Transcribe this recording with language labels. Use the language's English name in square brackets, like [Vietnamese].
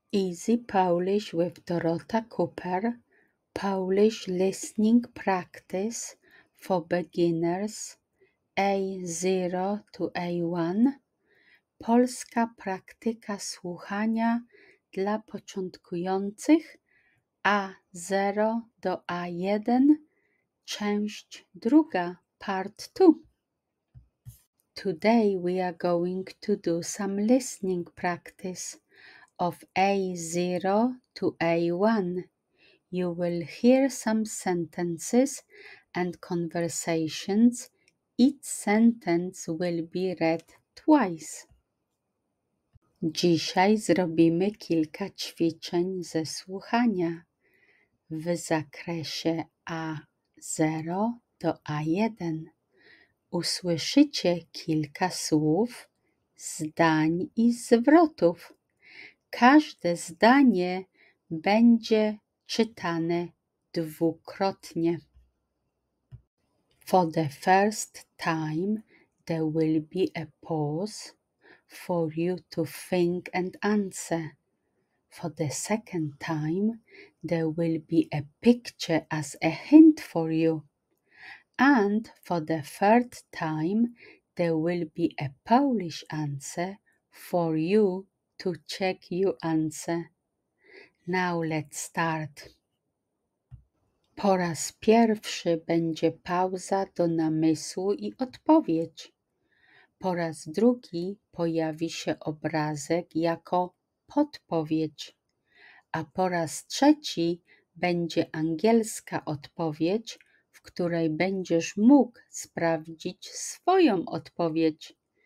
[English] Easy Polish with Dorota Cooper, Polish Listening Practice for Beginners A0 to A1, [Polish] Polska Praktyka Słuchania dla Początkujących A0 do A1, Część Druga, [English] Part 2. Today we are going to do some listening practice of A0 to A1. You will hear some sentences and conversations. Each sentence will be read twice. [Polish] Dzisiaj zrobimy kilka ćwiczeń ze słuchania w zakresie A0 do A1. Usłyszycie kilka słów, zdań i zwrotów. Każde zdanie będzie czytane dwukrotnie. [English] For the first time, there will be a pause for you to think and answer. For the second time, there will be a picture as a hint for you. And for the third time, there will be a Polish answer for you to check your answer. Now let's start. [Polish] Po raz pierwszy będzie pauza do namysłu i odpowiedź. Po raz drugi pojawi się obrazek jako podpowiedź. A po raz trzeci będzie angielska odpowiedź, w której będziesz mógł sprawdzić swoją odpowiedź.